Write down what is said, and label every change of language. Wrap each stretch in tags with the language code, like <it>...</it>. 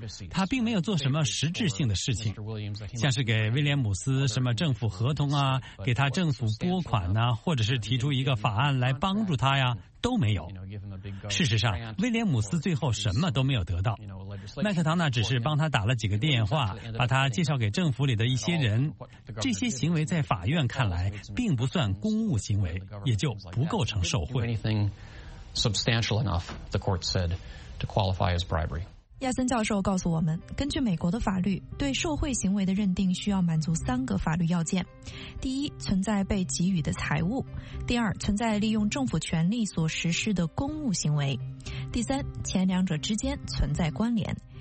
<zh>他并没有做什么实质性的事情，像是给威廉姆斯什么政府合同啊，给他政府拨款啊，或者是提出一个法案来帮助他呀，都没有。事实上，威廉姆斯最后什么都没有得到。麦克唐纳只是帮他打了几个电话，把他介绍给政府里的一些人。这些行为在法院看来并不算公务行为，也就不构成受贿。</zh> <en>Substantial enough, the court said, to qualify as bribery.</en> <zh>亚森教授告诉我们，根据美国的法律，对受贿行为的认定需要满足3个法律要件。第一，存在被给予的财物；第二，存在利用政府权力所实施的公务行为；第三，前两者之间存在关联。</zh>